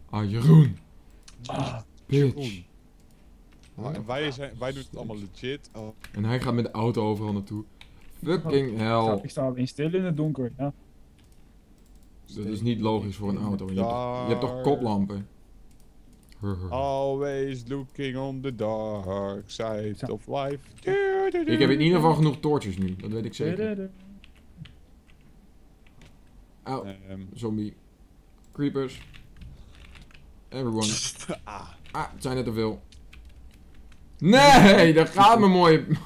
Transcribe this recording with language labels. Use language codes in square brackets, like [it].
[nl] Jeroen! [en] Bitch. [nl] Wij doen het allemaal legit. Oh. En hij gaat met de auto overal naartoe. [en] Fucking hell. [nl] Ik sta alleen stil in het donker, ja. Dat is niet logisch voor een auto. Je hebt toch koplampen? [en] Always looking on the dark side of life. [nl] Ik heb in ieder geval genoeg torches nu, dat weet ik zeker. Au, zombie. Creepers. Everyone. Het zijn er te veel. Nee, daar gaat mijn mooie...